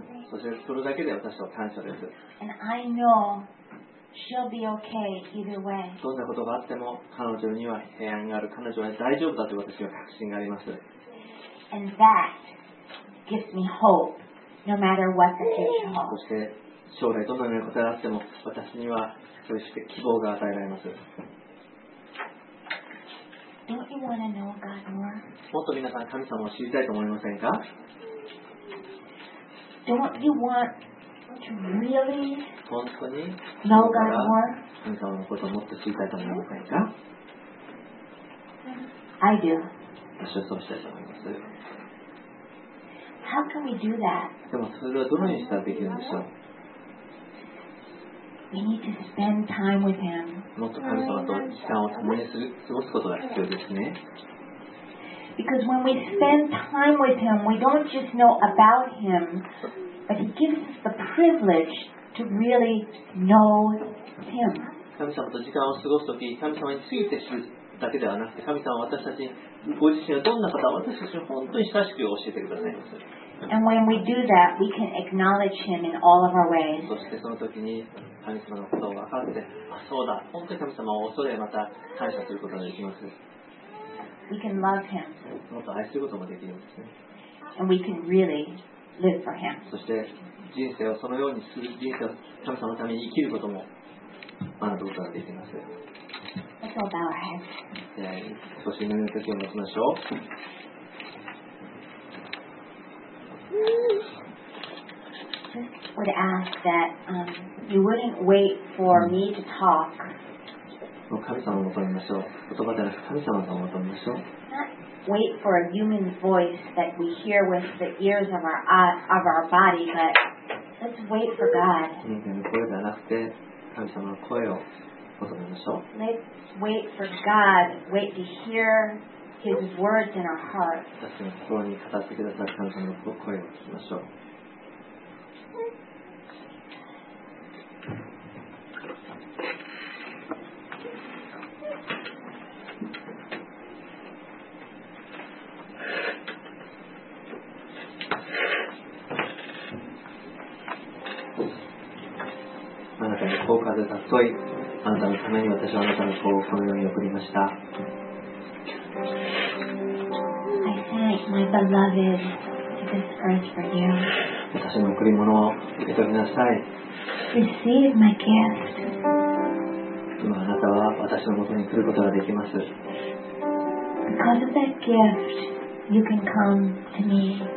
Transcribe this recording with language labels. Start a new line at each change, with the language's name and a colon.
Japanese: そしてそれだけで私は感謝です。
English: And I know she'll be okay either way.
Japanese: どんなことがあっても彼女には平安がある、彼女は大丈夫だと私は確信があります。
English: And that gives me hope. No matter what the future holds.
Japanese: そして将来どのようなことがあっても私にはそして希望が与えられます。
English: Don't you want to know God more?
Japanese: もっと皆さん神様を知りたいと思いませんか?
English: Don't you want to really
Japanese: 本当に
English: know God more?
Japanese: 神様のことをもっと知りたいと思いませんか?
English: I do.
Japanese: 私はそうしたいと思います。
English: How can we do that?
Japanese: でもそれはどのようにしたらできるんでしょう。
English: We need to spend time with him.
Japanese: もっと神様と時間を共にする、過ごすことが必要ですね。
English: Because when we spend time with him, we don't just know about him, but he gives us the privilege to really know him.
Japanese: 神様と時間を過ごすとき、神様について知るだけではなくて、神様は私たちにご自身はどんな方、私たちに本当に親しく教えてくださいます。
English: And when we do that, we can acknowledge Him in all of our ways.
Japanese: そしてその時に神様のことを分かって、あ、そうだ、本当に神様を恐れまた感謝することができます。
English: We can love Him.
Japanese: もっと愛することもできるんですね。
English: And we can really live for Him.
Japanese: そして人生をそのようにする、人生を神様のために生きることも学ぶことができます。
English: Let's all bow our heads.
Japanese: 少し祈りの時を待ちましょう。
English: Just would ask that you wouldn't wait for me to talk.
Japanese: 神様を求めましょう。言葉ではなく神様を求めましょう。
English: Not wait for a human voice that we hear with the ears of our body, but let's wait for God.
Japanese: 人間の声ではなくて神様の声を求めましょう。
English: Let's wait for God. Wait to hear. His words in our heart.
Japanese: 私の心に語ってくださる神様の声を聞きましょう。あなたの効果で誘い、あなたのために私はあなたの子をこの世に送りました。
English: My beloved, to this earth for you.
Japanese: 私の贈り物を受け取りなさい。
English: Receive my gift.
Japanese: 今あなたは私のもとに来ることができます。
English: Because of that gift, you can come to me.